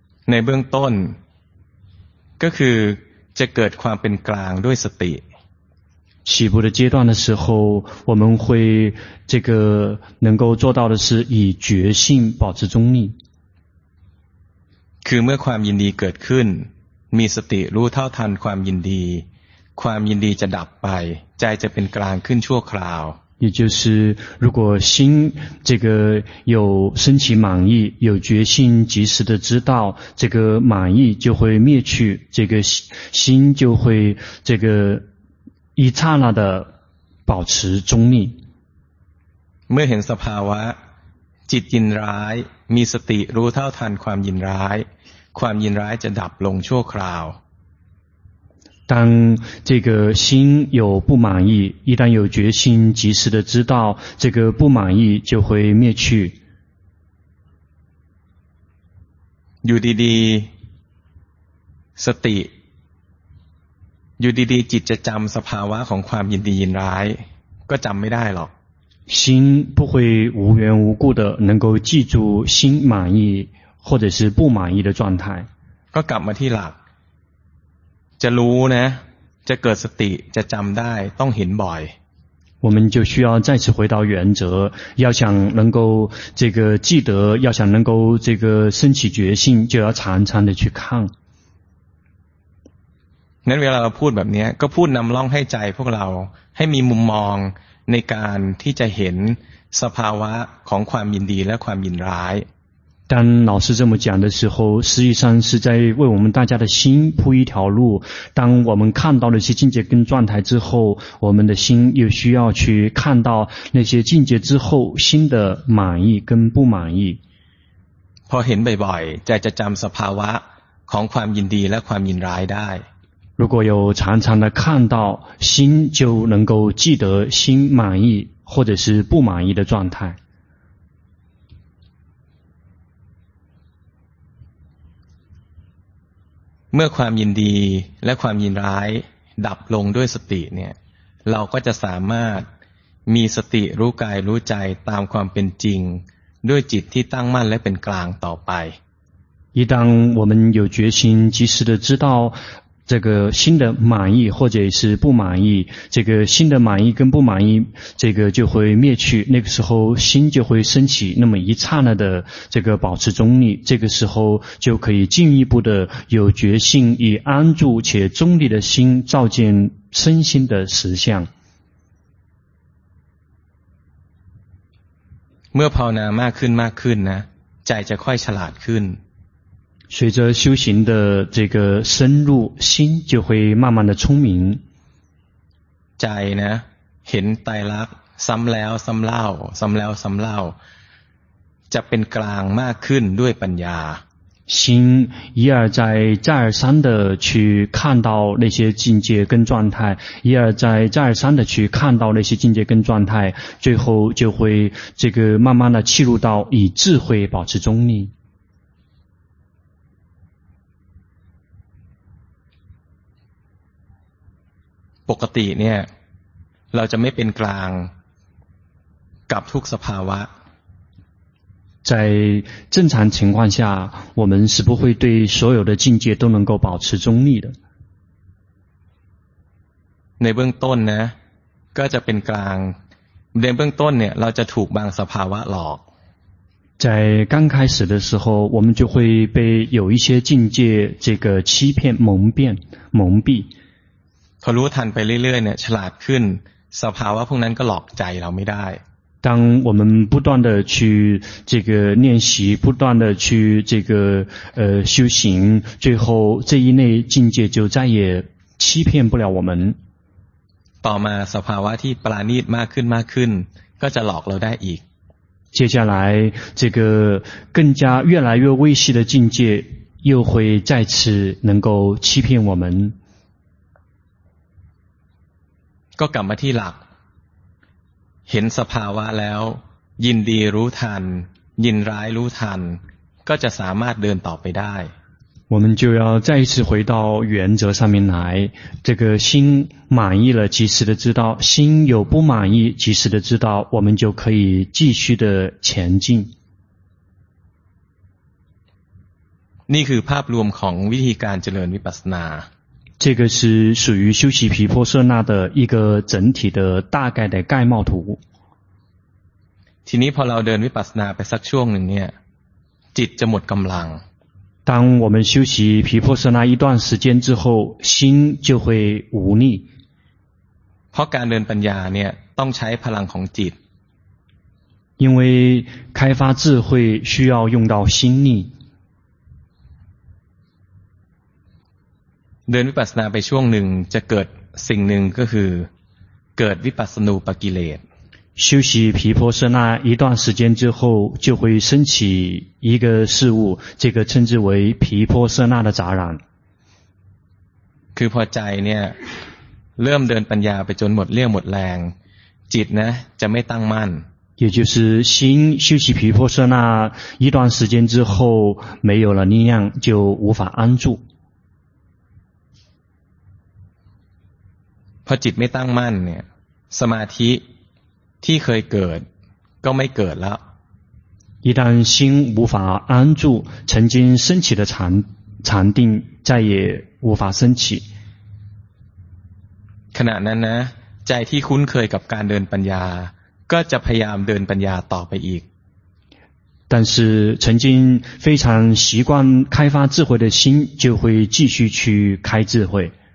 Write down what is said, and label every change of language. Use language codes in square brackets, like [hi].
[th] ในเบื้องต้นก็คือจะเกิดความเป็นกลางด้วยสติ [zh] 起步的阶段的时候我们会这个能够做到的是以觉性保持中立 [th] คือเมื่อความยินดีเกิดขึ้นมีสติรู้เท่าทันความยินดีความยินดีจะดับไป จจะเป็นกลางขึ้นชั่วคราว [zh] 也就是如果心这个有升起满意有决心及时的知道这个满意就会灭去这个心就会这个一刹那的保持中立 [th] เมื่อเห็นสภาวะจิตยินร้ายมีสติรู้เท่าทันความยินร้ายความยินร้ายจะดับลงชั่วคราว [zh] 当这个心有不满意一旦有决心及时的知道这个不满意就会灭去 [th] อยู่ดีๆสติอยู่ดีๆจิตจะจำสภาวะของความยินดียินร้ายก็จำไม่ได้หรอก [zh] 心不会无缘无故的能够记住心满意或者是不满意的状态 [th] ก็กลับมาที่หลักจะรู้นะจะเกิดสติจะจำได้ต้องเห็นบ่อย [zh] 我们就需要再次回到原则要想能够这个记得要想能够这个升起决心就要常常的去看 [th] นั้นเวลาเราพูดแบบนี้ก็พูดนำร่องให้ใจพวกเราให้มีมุมมองในการที่จะเห็นสภาวะของความยินดีและความยินร้าย [zh] แต่老师这么讲的时候实际上是在为我们大家的心铺一条路当我们看到了一些境界跟状态之后我们的心又需要去看到那些境界之后心的满意跟不满意 [th] พอเห็นบ่อยๆใจจะจำสภาวะของความยินดีและความยินร้ายได้ [zh] 如果有常常的看到心就能够记得心满意或者是不满意的状态 [th] เมื่อความยินดีและความยินร้ายดับลงด้วยสติเนี่ยเราก็จะสามารถมีสติรู้กายรู้ใจตามความเป็นจริงด้วยจิตที่ตั้งมั่นและเป็นกลางต่อไป [zh] 一旦我们有决心及时的知道这个心的满意或者是不满意这个心的满意跟不满意这个就会灭去那个时候心就会升起那么一刹那的这个保持中立这个时候就可以进一步的有决心以安住且中立的心照见身心的实相 [th] เมื่อภาวนามากขึ้นมากขึ้นนะใจจะค่อยฉลาดขึ้น [zh] 随着修行的这个深入心就会慢慢的聪明 [th] ใจนะเห็นไตรลักษณ์ซ้ำแล้วซ้ำเล่าซ้ำแล้วซ้ำเล่าจะเป็นกลางมากขึ้นด้วยปัญญา [zh] 心一而再再而三的去看到那些境界跟状态一而再再而三的去看到那些境界跟状态最后就会这个慢慢的契入到以智慧保持中立 [th] ปกติเนี่ยเราจะไม่เป็นกลางกับทุกสภาวะ [zh] 在正常情况下我们是不会对所有的境界都能够保持中立的 [th] ในเบื้องต้นนะก็จะเป็นกลางในเบื้องต้นเนี่ยเราจะถูกบางสภาวะหลอก [zh] 在刚开始的时候我们就会被有一些境界这个欺骗蒙骗蒙蔽 [th] พอรู้ทันไปเรื่อยๆเนี่ยฉลาดขึ้นสภาวะพวกนั้นก็หลอกใจเราไม่ได้ [zh] 当我们不断的去这个练习不断的去这个修行最后这一类境界就再也欺骗不了我们 [th] ต่อมาสภาวะที่ปราณีตมากขึ้นมากขึ้นก็จะหลอกเราได้อีก [zh] 接下来这个更加越来越微细的境界又会再次能够欺骗我们 [th] ก็กลับมาที่หลักเห็นสภาวะแล้วยินดีรู้ทันยินร้ายรู้ทันก็จะสามารถเดินต่อไปได้ [zh] 我们就要再一次回到原则上面来这个心满意了及时的知道心有不满意及时的知道我们就可以继续的前进 [th] นี่คือภาพรวมของวิธีการเจริญวิปัสสนา [zh] 这个是属于修习毗婆舍那的一个整体的大概的概貌图 [th] ทีนี้พอเราเดินวิปัสสนาไปสักช่วงหนึ่งเนี่ยจิตจะหมดกำลัง [zh] 当我们修习毗婆舍那一段时间之后心就会无力 [th] พอเ ราะการเดินปัญญาเนี่ยต้องใช้พลังของจิต [zh] 因为开发智慧需要用到心力 [th] เดินวิปัสสนาไปช่วงหนึ่งจะเกิดสิ่งหนึ่งก็คือเกิดวิปัสสนูปกิเลส [zh] 修习毗婆舍那一段时间之后就会升起一个事物这个称之为毗婆舍那的杂染 [th] คือพอใจเนี่ยเริ่มเดินปัญญาไปจนหมดเรี่ยวหมดแรงจิตนะจะไม่ตั้งมั่น [zh] 也就是心修习毗婆舍那一段时间之后没有了力量就无法安住 [th] พอจิตไม่ตั้งมั่นเนี่ยสมาธิที่เคยเกิดก็ไม่เกิดแล้ว [zh] 一旦心无法安住曾经升起的禅定再也无法升起 [th] ขณะนั้นนะใจที่คุ้นเคยกับการเดินปัญญาก็จะพยายามเดินปัญญาต่อไปอีก [zh] 但是曾经非常习惯开发智慧的心就会继续去开智慧